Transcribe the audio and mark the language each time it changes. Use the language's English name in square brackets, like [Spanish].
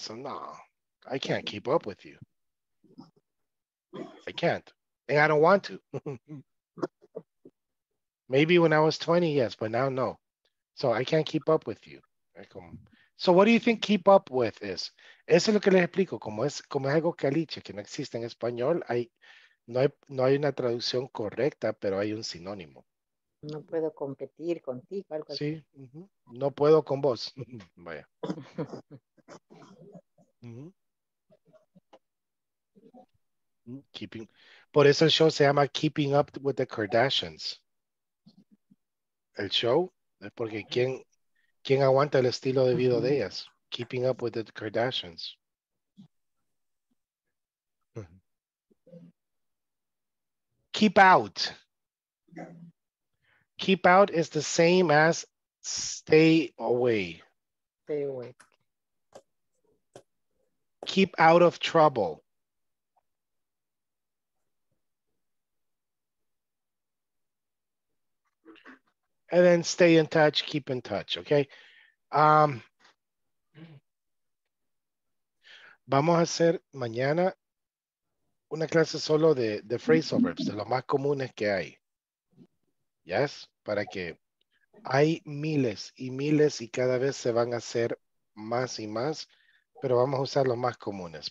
[English] So no, I can't keep up with you. I can't. And I don't want to. Maybe when I was 20, yes, but now no. So I can't keep up with you. So what do you think keep up with is? [Spanish] Eso es lo que les explico, como es algo caliche que no existe en español, no hay una traducción correcta, pero hay un sinónimo. No puedo competir contigo. Algo sí, uh-huh. No puedo con vos. Vaya. Keeping. Por eso el show se llama Keeping Up with the Kardashians. El show es porque ¿quién aguanta el estilo de vida de ellas? [English] Keeping Up with the Kardashians. Keep out. Keep out is the same as stay away. Stay away. Keep out of trouble. And then stay in touch, keep in touch, okay? [Spanish] Vamos a hacer mañana una clase solo de phrase verbs, de los más comunes que hay. Yes, para que hay miles y miles y cada vez se van a hacer más y más, pero vamos a usar los más comunes.